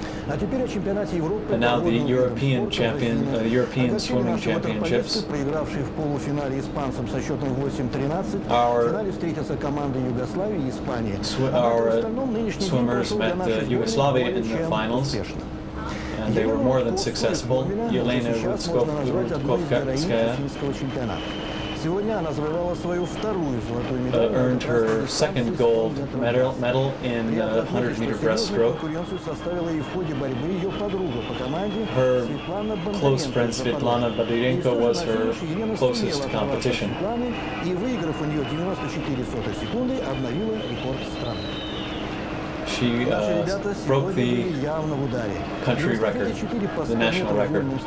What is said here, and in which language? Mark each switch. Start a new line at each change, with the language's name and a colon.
English: And now the European champion, the European swimming championships.
Russian: Проигравший в полуфинале испанцам со счетом 8-13, в финале встретятся команды Югославии и Испании.
English: Our swimmers met the Yugoslavia in the finals, and they were more than successful.
Russian: Елена Рудковская. Сегодня она завоевала свою вторую золотую медаль.
English: Earned her second gold medal in 100-meter breaststroke.
Russian: Составила и в ходе борьбы ее подруга по команде.
English: Her close friend Svetlana Bondarenko was her closest competition.
Russian: И выиграв у нее 94 сотых секунды, обновила рекорд страны.
English: She broke the country record, the national record.